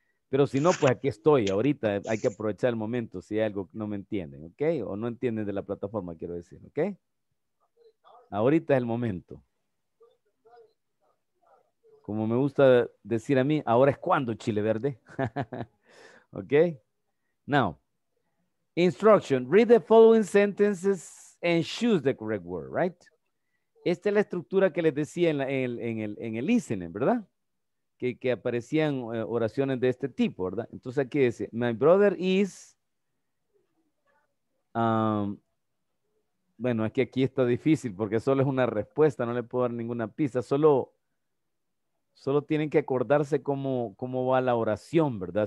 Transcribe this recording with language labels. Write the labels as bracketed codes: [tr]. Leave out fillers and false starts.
[es] Pero si no, pues aquí estoy, ahorita hay que aprovechar el momento si hay algo que no me entienden, ¿ok? O no entienden de la plataforma, quiero decir, ¿ok? Ahorita es el momento. Como me gusta decir a mí, ahora es cuando, Chile Verde. [en] ¿Ok? Now, instruction. Read the following sentences and choose the correct word, right? [es] Esta es la estructura que les decía en el listening, ¿verdad? Que aparecían oraciones de este tipo, ¿verdad? Entonces aquí dice, [en] my brother is... [es] bueno, es que aquí está difícil porque solo es una respuesta, no le puedo dar ninguna pista, solo tienen que acordarse cómo va la oración, ¿verdad?